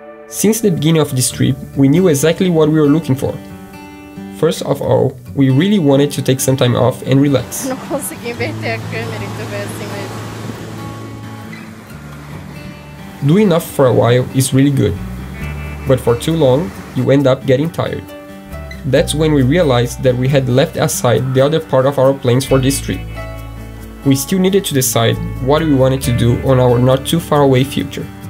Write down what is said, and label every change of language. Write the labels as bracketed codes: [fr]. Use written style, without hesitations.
[en] Since the beginning of this trip, we knew exactly what we were looking for. First of all, we really wanted to take some time off and relax. [pt] Não consegui inverter a câmera, então foi assim mesmo. [en] Doing enough for a while is really good. But for too long, you end up getting tired. That's when we realized that we had left aside the other part of our plans for this trip. We still needed to decide what we wanted to do on our not too far away future.